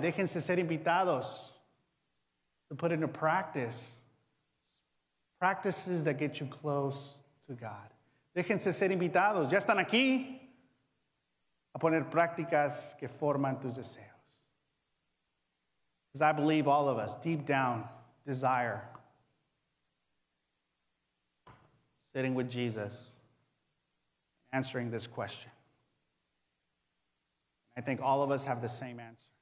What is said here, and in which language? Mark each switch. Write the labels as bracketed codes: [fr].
[es] Déjense ser invitados [en] to put into practice practices that get you close to God. [es] Déjense ser invitados. Ya están aquí a poner prácticas que forman tus deseos. [en] Because I believe all of us, deep down, desire sitting with Jesus. Answering this question. I think all of us have the same answer.